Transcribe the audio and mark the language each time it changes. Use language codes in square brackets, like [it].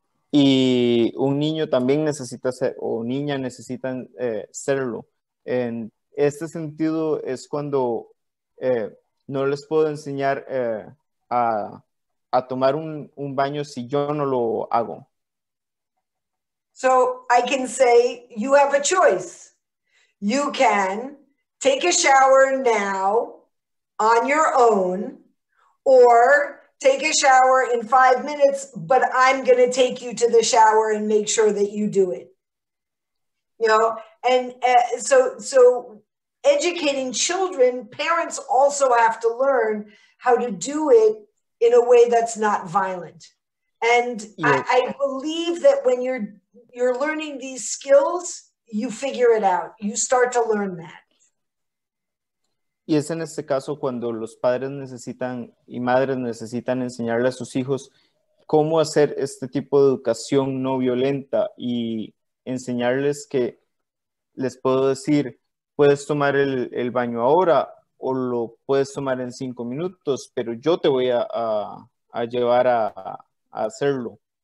[es] Y un niño también necesita ser, o niña necesitan serlo. En este sentido es cuando no les puedo enseñar a tomar un baño si yo no lo hago. [en] So I can say, you have a choice. You can take a shower now on your own, or take a shower in 5 minutes, but I'm going to take you to the shower and make sure that you do it. You know, and so educating children, parents also have to learn how to do it in a way that's not violent. And yeah. I believe that when you're learning these skills, you figure it out. You start to learn that. [es] Y es en este caso cuando los padres necesitan y madres necesitan enseñarle a sus hijos cómo hacer este tipo de educación no violenta y enseñarles que les puedo decir, puedes tomar el baño ahora o lo puedes tomar en 5 minutos, pero yo te voy a llevar a hacerlo.